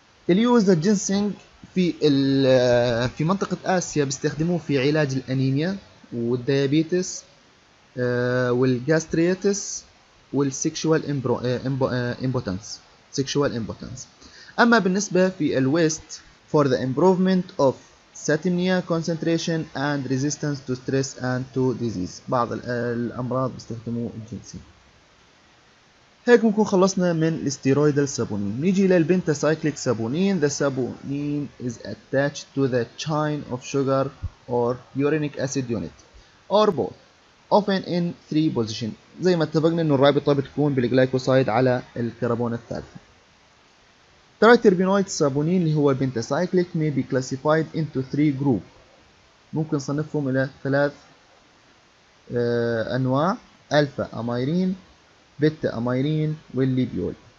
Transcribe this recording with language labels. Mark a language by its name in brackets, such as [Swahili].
[Arabic] اليوز الجنسينج في منطقه اسيا بيستخدموه في علاج الانيميا والديابيتس والجاستريتس والسيكشوال امبوتنس، سيكشوال امبوتنس. أما بالنسبة في الويست [English] for the improvement of satinia concentration and resistance to stress and to disease، [Arabic] بعض الأمراض بيستخدموا الجنسين. هيك بنكون خلصنا من الستيرويدال سابونين. نيجي للبنتاسايكليك سابونين. [English] The saponin is attached to the chain of sugar or uronic acid unit or both often in three positions، [Arabic] زي ما اتفقنا أن الرابطة بتكون بالجلايكوسايد على الكربون الثالث. ترايتربينويد سابونين اللي هو البنتاسايكليك [English] may be classified into three group، [Arabic] ممكن صنفهم الى ثلاث انواع: الفا امايرين، بيتا امايرين، والليبيول.